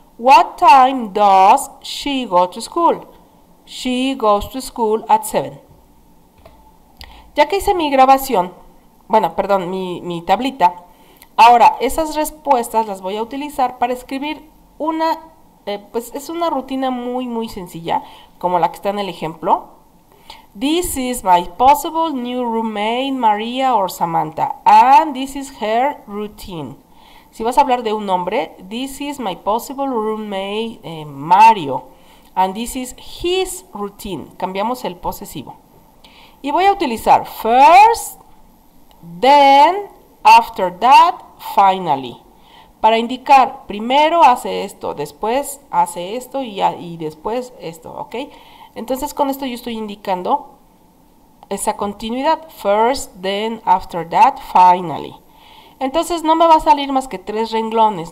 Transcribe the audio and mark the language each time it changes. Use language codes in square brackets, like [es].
[en] What time does she go to school? She goes to school at 7. [es] Ya que hice mi grabación, bueno, perdón, mi tablita, ahora esas respuestas las voy a utilizar para escribir una, pues es una rutina muy, muy sencilla, como la que está en el ejemplo. [en] This is my possible new roommate, Maria or Samantha, and this is her routine. [es] Si vas a hablar de un hombre, [en] this is my possible roommate, Mario, and this is his routine. [es] Cambiamos el posesivo. Y voy a utilizar [en] first, then, after that, finally. [es] Para indicar, primero hace esto, después hace esto y después esto, ¿ok? Entonces, con esto yo estoy indicando esa continuidad. [en] First, then, after that, finally. [es] Entonces, no me va a salir más que 3 renglones.